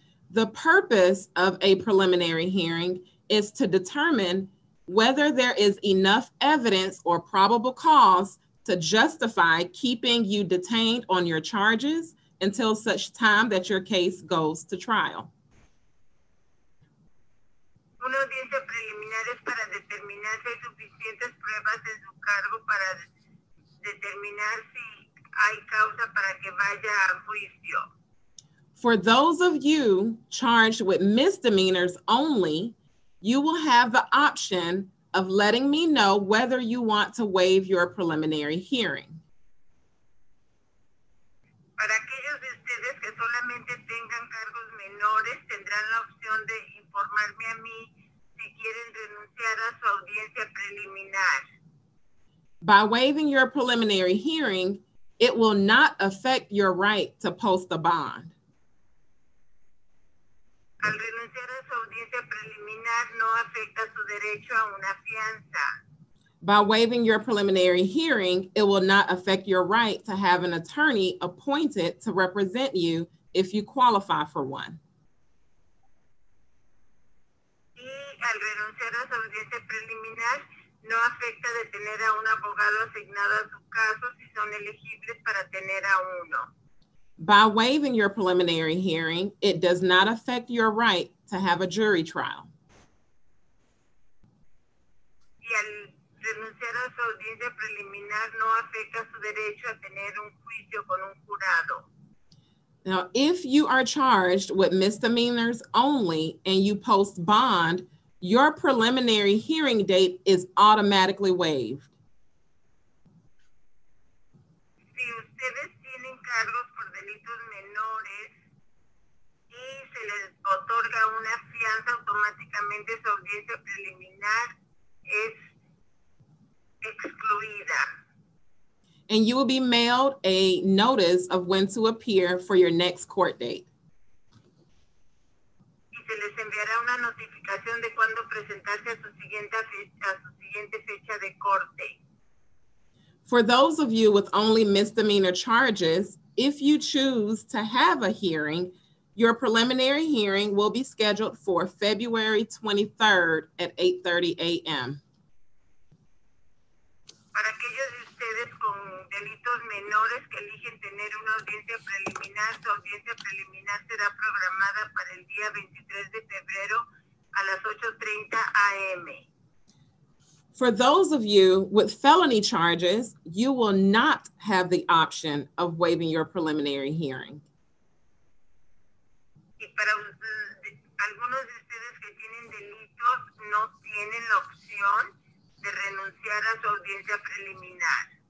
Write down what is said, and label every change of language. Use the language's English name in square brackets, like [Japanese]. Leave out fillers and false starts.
[English] The purpose of a preliminary hearing is to determine whether there is enough evidence or probable cause to justify keeping you detained on your charges until such time that your case goes to trial. [Spanish] Una audiencia preliminar es para determinar si hay suficientes pruebas en su cargo para determinar si hay causa para que vaya a juicio. [English] For those of you charged with misdemeanors only, you will have the option of letting me know whether you want to waive your preliminary hearing. [Spanish] Para aquellos de ustedes que solamente tengan cargos menores, tendrán la opción de informarme a mí si quieren renunciar a su audiencia preliminar. [English] By waiving your preliminary hearing, it will not affect your right to post a bond. [Spanish] Al renunciar a su audiencia preliminar, no afecta su derecho a una fianza. [English] By waiving your preliminary hearing, it will not affect your right to have an attorney appointed to represent you if you qualify for one. [Spanish] Y al renunciar a su audiencia preliminar, no afecta de tener a un abogado asignado a su caso si son elegibles para tener a uno. [English] By waiving your preliminary hearing, it does not affect your right to have a jury trial. [Spanish] Y al renunciar a su audiencia preliminar, no afecta su derecho a tener un juicio con un jurado. [English] Now, if you are charged with misdemeanors only and you post bond, your preliminary hearing date is automatically waived. [Spanish] Si ustedes tienen cargos por delitos menores y se les otorga una fianza automáticamente, su audiencia preliminar es excluida. [English] And you will be mailed a notice of when to appear for your next court date. [Spanish] Se les enviará una notificación de cuándo presentarse a su siguiente fecha de corte. [English] For those of you with only misdemeanor charges, if you choose to have a hearing, your preliminary hearing will be scheduled for February 23rd at 8:30 a.m. [Spanish] Para aquellos de ustedes con delitos menores que eligen tener una audiencia preliminar, su audiencia preliminar será programada para el día 23 de febrero a las 8:30 a.m. [English] For those of you with felony charges, you will not have the option of waiving your preliminary hearing. [Spanish] Y para algunos de ustedes que tienen delitos, no tienen la opción de renunciar a su audiencia preliminar.